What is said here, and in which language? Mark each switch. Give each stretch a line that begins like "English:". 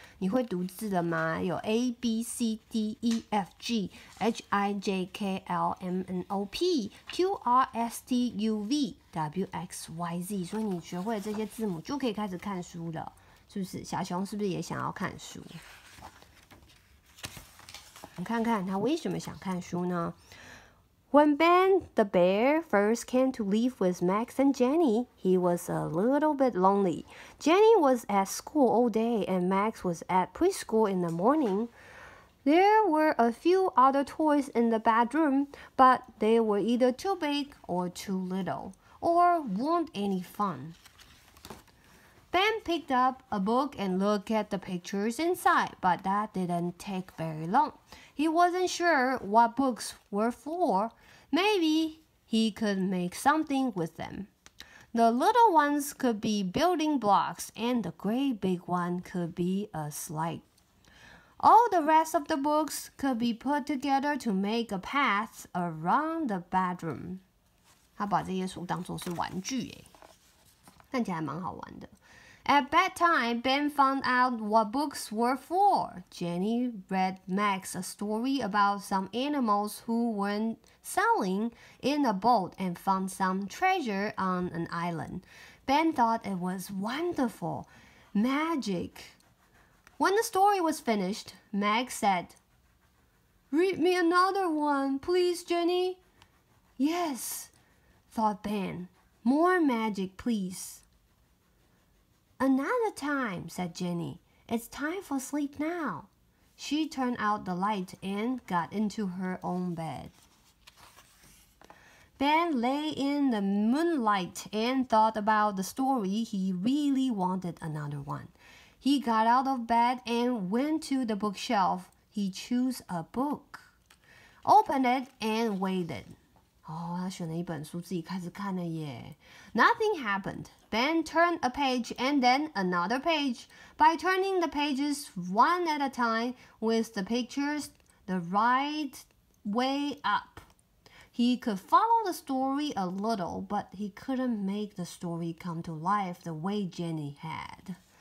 Chinese: 你会读字的吗？有 A B C D E F G H I J K L M N O P Q R S T U V W X Y Z， 所以你学会了这些字母就可以开始看书了，是不是？小熊是不是也想要看书？我们看看他为什么想看书呢？
English: When Ben the bear first came to live with Max and Jenny, he was a little bit lonely. Jenny was at school all day and Max was at preschool in the morning. There were a few other toys in the bedroom, but they were either too big or too little, or weren't any fun. Ben picked up a book and looked at the pictures inside, but that didn't take very long. He wasn't sure what books were for. Maybe he could make something with them. The little ones could be building blocks, and the great big one could be a slide. All the rest of the books could be put together to make a path around the bedroom.
Chinese: 他把这些书当作是玩具耶，看起来蛮好玩的。
English: At bedtime, Ben found out what books were for. Jenny read Max a story about some animals who were sailing in a boat and found some treasure on an island. Ben thought it was wonderful, magic. When the story was finished, Max said, Read me another one, please, Jenny. Yes, thought Ben. More magic, please. Another time, said Jenny. It's time for sleep now. She turned out the light and got into her own bed. Ben lay in the moonlight and thought about the story. He really wanted another one. He got out of bed and went to the bookshelf. He chose a book, opened it, and waited.
Chinese: Oh, 他选了一本书自己开始看了耶。
English: Nothing happened. Ben turned a page and then another page. By turning the pages one at a time with the pictures the right way up, he could follow the story a little, but he couldn't make the story come to life the way Jenny had.